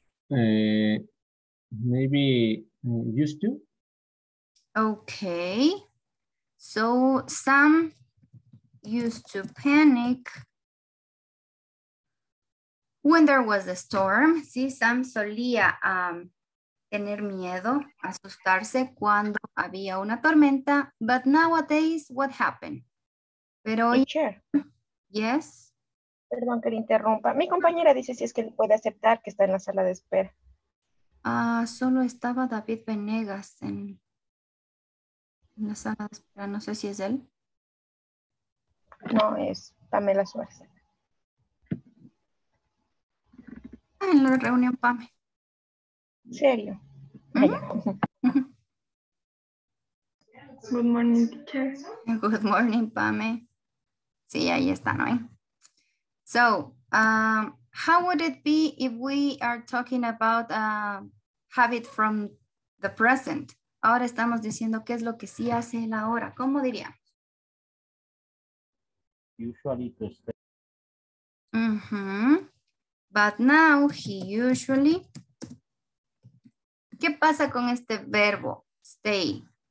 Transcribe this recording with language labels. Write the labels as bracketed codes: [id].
[en] Maybe used to. Okay. So Sam used to panic when there was a storm. [es] Sí, Sam solía tener miedo, asustarse cuando había una tormenta. [en] But nowadays, what happened? [es] Pero hoy, teacher. [en] Yes. [es] Perdón que le interrumpa. Mi compañera dice si es que le puede aceptar que está en la sala de espera. Solo estaba David Venegas en la sala de espera. No sé si es él. No, es Pamela Suárez. En la reunión, Pame. ¿Serio? [en] Good morning, teacher. Good morning, Pame. [es] Sí, ahí están, ¿no? [en] So, how would it be if we are talking about habit from the present? [es] Ahora estamos diciendo qué es lo que sí hace él ahora. ¿Cómo diríamos? [en] Usually to stay. But now he usually. [es] ¿Qué pasa con este verbo stay?